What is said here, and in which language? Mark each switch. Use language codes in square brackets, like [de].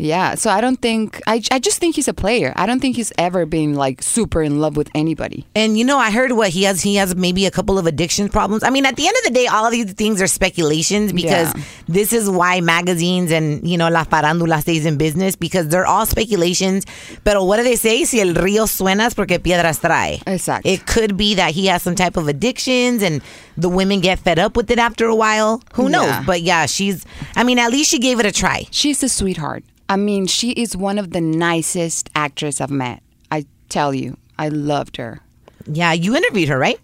[en] Yeah, so I don't think, I just think he's a player. I don't think he's ever been like super in love with anybody. And you know, I heard what he has maybe a couple of addiction problems. I mean, at the end of the day, all of these things are speculations because this is why magazines and, you know, La Farándula stays in business, because they're all speculations. [es] Pero [en] what do they say? [es] Si el río suena es porque piedras trae. [en] Exactly. It could be that he has some type of addictions and the women get fed up with it after a while. Who knows? Yeah. But yeah, at least she gave it a try. She's a sweetheart. I mean, she is one of the nicest actresses I've met. I tell you, I loved her. Yeah, you interviewed her, right?